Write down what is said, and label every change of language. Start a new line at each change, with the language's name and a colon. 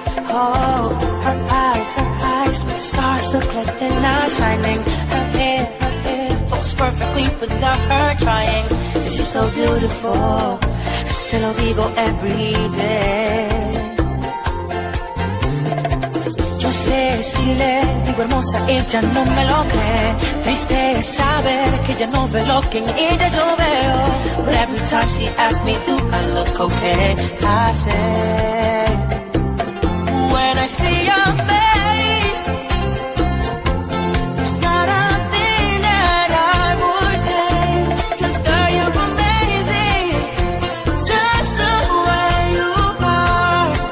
English: Oh, her eyes, with stars look like they're not shining. Her hair falls perfectly without her trying. And she's so beautiful,
Spanish: se lo digo
English: every day.
Spanish: No sé si le digo hermosa, ella no me lo cree. Triste es saber que ella no ve lo que en ella yo veo.
English: But every time she asks me, do I look okay? I say, when I see your face, there's not a thing that I would change. Cause girl, you're amazing, just the way you are.